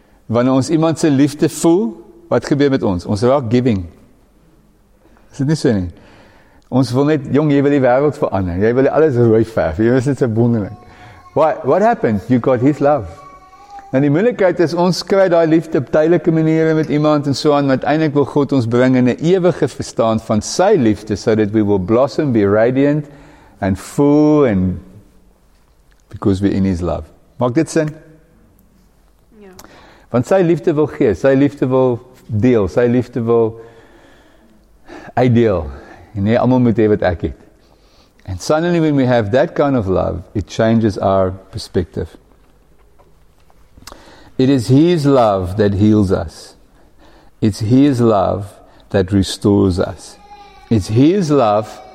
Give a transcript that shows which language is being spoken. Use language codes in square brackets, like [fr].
[af] Wanneer ons iemand se liefde voel, wat gebeur met ons? Ons raak giving. Is dit nie so nie? Ons wil net, jong, jy wil die wereld verander. Jy wil alles rooi verf. Jy is net so wonderlik. [en] What happened? You got his love. [af] Nou die moeilikheid is, ons kry die liefde op tydelike maniere met iemand en so aan, maar uiteindelik wil God ons bring in 'n ewige verstaan van sy liefde, [en] so that we will blossom, be radiant, and full, and because we're in his love. [af] Maak dit sin? Ja. Want sy liefde wil gee, sy liefde wil deel, sy liefde wil ideal, en nie allemaal moet hê wat ek het. [en] And suddenly when we have that kind of love, it changes our perspective. It is his love that heals us. It's his love that restores us. It's his love